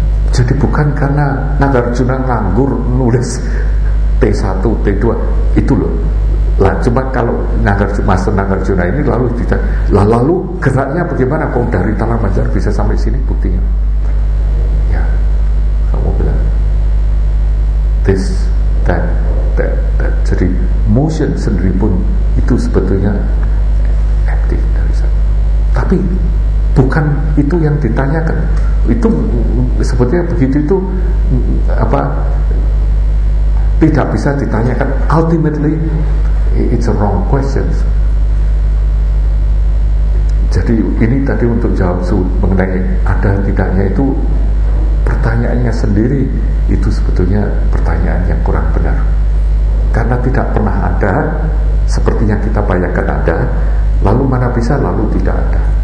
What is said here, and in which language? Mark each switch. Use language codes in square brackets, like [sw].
[id] Jadi bukan karena Nagarjuna nganggur nulis T1, T2 itu loh. Lah coba kalau Nagarjuna ini lalu tidak, lalu geraknya bagaimana kok dari Tanah Banjar bisa sampai sini buktinya? Ya, kamu bilang this, that, that, that. Jadi motion sendiri pun itu sebetulnya aktif dari sana. Tapi bukan itu yang ditanyakan. Itu sebetulnya begitu itu apa tidak bisa ditanyakan. [en] Ultimately it's a wrong question. [id] Jadi ini tadi untuk jawab mengenai ada tidaknya itu pertanyaannya sendiri itu sebetulnya pertanyaan yang kurang benar. Karena tidak pernah ada seperti yang kita bayangkan ada, lalu mana bisa lalu tidak ada.